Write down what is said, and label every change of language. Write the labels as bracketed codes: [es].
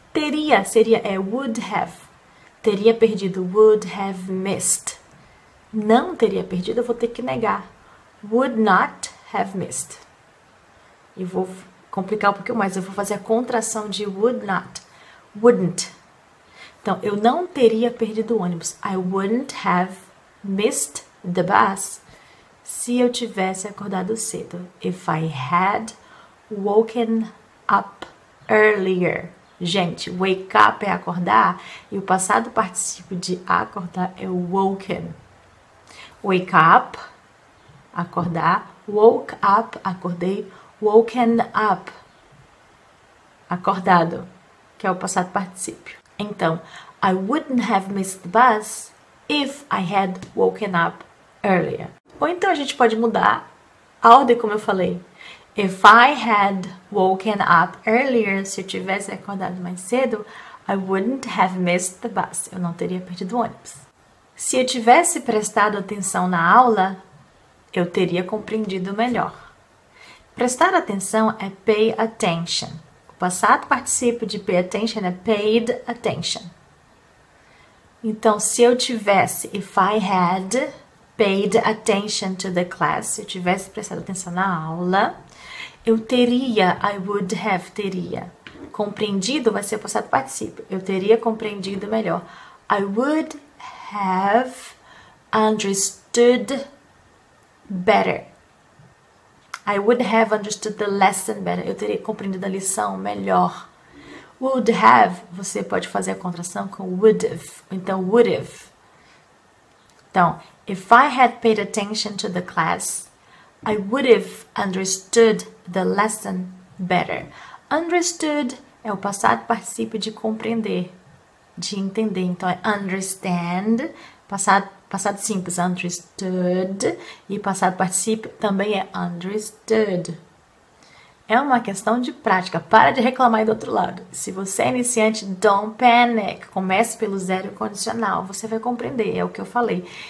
[pt] Teria seria would have. Teria perdido, [en] would have missed. [pt] Não teria perdido, eu vou ter que negar. [en] Would not have missed. [pt] E vou complicar um pouquinho mais. Eu vou fazer a contração de would not. Wouldn't. Então, eu não teria perdido o ônibus. [en] I wouldn't have missed the bus [pt] se eu tivesse acordado cedo. [en] If I had woken up earlier. [pt] Gente, wake up é acordar e o passado participio de acordar é woken. Wake up, acordar. Woke up, acordei. Woken up, acordado, que é o passado participio. [en] Então, I wouldn't have missed the bus if I had woken up earlier. [pt] Ou então a gente pode mudar a ordem, como eu falei. [en] If I had woken up earlier, [pt] se eu tivesse acordado mais cedo, [en] I wouldn't have missed the bus. [pt] Eu não teria perdido o ônibus. Se eu tivesse prestado atenção na aula, eu teria compreendido melhor. Prestar atenção é pay attention. O passado participio de pay attention é paid attention. Então, se eu tivesse, [en] if I had paid attention to the class, [pt] se eu tivesse prestado atenção na aula, eu teria, [en] I would have, [pt] teria. Compreendido vai ser o passado participio. Eu teria compreendido melhor. [en] I would have understood better. I would have understood the lesson better. [pt] Eu teria compreendido a lição melhor. Would have, você pode fazer a contração com would have. [en] Então, would have. Então, if I had paid attention to the class, I would have understood the lesson better. [pt] Understood é o passado participio de compreender, de entender. Então, é understand, passado simples, understood, e passado participio também é understood. É uma questão de prática, para de reclamar aí do outro lado. Se você é iniciante, [en] don't panic, [pt] comece pelo zero condicional, você vai compreender, é o que eu falei.